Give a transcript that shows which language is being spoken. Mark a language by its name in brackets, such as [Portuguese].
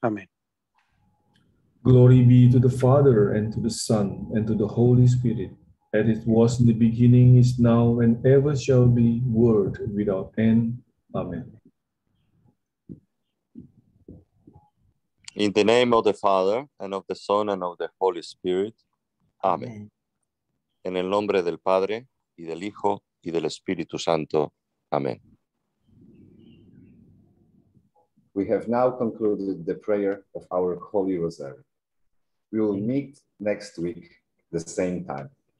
[Spanish] Amén. [English] Glory be to the Father, and to the Son, and to the Holy Spirit, as it was in the beginning, is now, and ever shall be, world without end. Amen. In the name of the Father, and of the Son, and of the Holy Spirit. Amen. [Spanish] En el nombre del Padre, y del Hijo, y del Espíritu Santo. [English] Amen. We have now concluded the prayer of our Holy Rosary. We will meet next week, the same time.